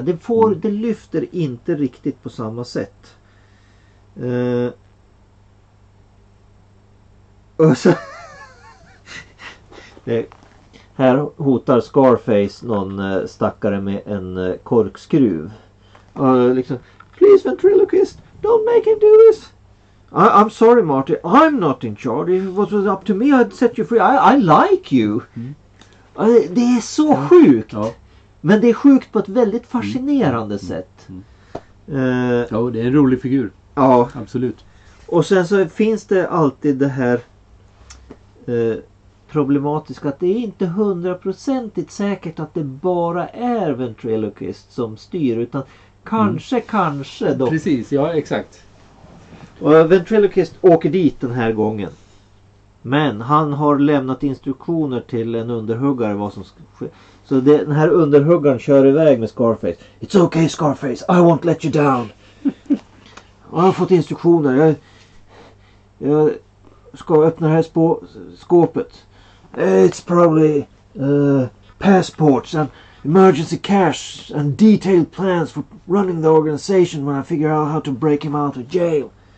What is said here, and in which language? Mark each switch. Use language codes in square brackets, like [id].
[sv] Det får, det lyfter inte riktigt på samma sätt. Och så här hotar Scarface någon stackare med en korkskruv. Liksom, [en] please ventriloquist, don't make him do this. I'm sorry, Marty. I'm not in charge. If it was up to me, I'd set you free. I like you. Mm. [sv] Det är så sjukt. Ja. Men det är sjukt på ett väldigt fascinerande sätt. Ja, det är en rolig figur. Ja. Absolut. Och sen så finns det alltid det här problematiska att det är inte hundraprocentigt säkert att det bara är ventriloquist som styr, utan kanske, kanske då. Precis, ja, exakt. Och ventriloquist åker dit den här gången. Men han har lämnat instruktioner till en underhuggare vad som ska ske. Så det, den här underhuggaren kör iväg med Scarface. [en] It's okay, Scarface. I won't let you down. [sv] Jag har fått instruktioner. Jag ska öppna det här skåpet. [en] It's probably passports and emergency cash and detailed plans for running the organization when I figure out how to break him out of jail.